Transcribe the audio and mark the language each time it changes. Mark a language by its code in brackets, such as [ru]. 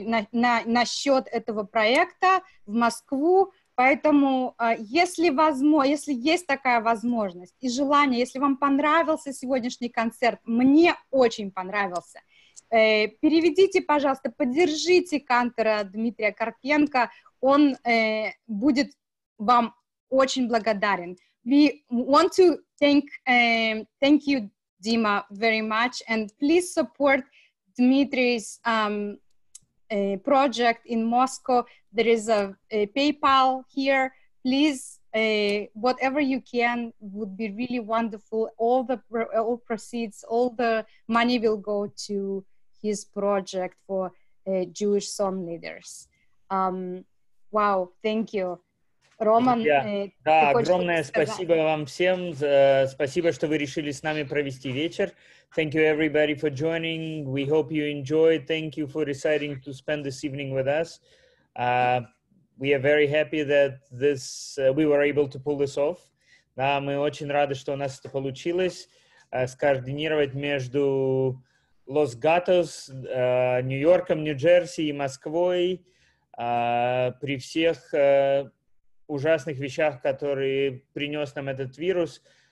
[ru] на счет этого проекта в Москву, поэтому если есть такая возможность и желание, если вам понравился сегодняшний концерт, мне очень понравился, переведите, пожалуйста, поддержите кантора Дмитрия Карпенко, он будет вам очень благодарен. [en] We want to thank you, Dima, very much, and please support Dmitry's project in Moscow. There is a PayPal here. Please, whatever you can would be really wonderful. All proceeds, all the money will go to his project for Jewish song leaders. Wow, thank you. Roman, yeah. [ru] Да, огромное спасибо вам всем. Спасибо, что вы решили с нами провести вечер. [en] Thank you everybody for joining. We hope you enjoy. Thank you for deciding to spend this evening with us. We are very happy that this we were able to pull this off. [ru] Да, мы очень рады, что у нас это получилось скоординировать между Los Gatos, Нью-Йорком, Нью-Джерси и Москвой при всех ужасных вещах, которые принес нам этот вирус.